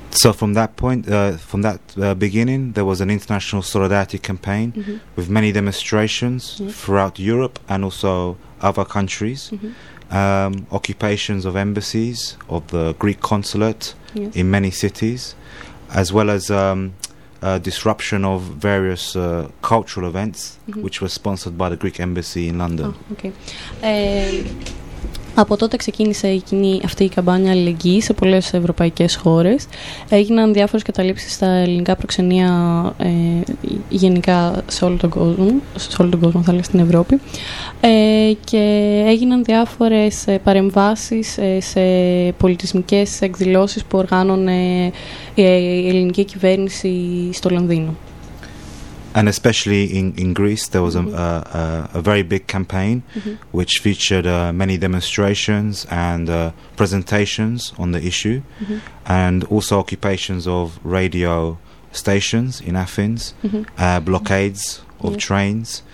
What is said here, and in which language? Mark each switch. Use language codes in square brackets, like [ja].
[en] So from that point, from that beginning, there was an international solidarity campaign with many demonstrations throughout Europe and also other countries, occupations of embassies, of the Greek consulate in many cities, as well as disruption of various cultural events which were sponsored by the Greek embassy in London. Oh, okay. [el] Από τότε ξεκίνησε αυτή η καμπάνια αλληλεγγύης σε πολλές ευρωπαϊκές χώρες. Έγιναν διάφορες καταλήψεις στα ελληνικά προξενία, γενικά σε όλο τον κόσμο, θα λέω, στην Ευρώπη. Και έγιναν διάφορες παρεμβάσεις σε πολιτισμικές εκδηλώσεις που οργάνωνε η ελληνική κυβέρνηση στο Λονδίνο. [en] And especially in Greece, there was a very big campaign which featured many demonstrations and presentations on the issue and also occupations of radio stations in Athens, blockades of trains.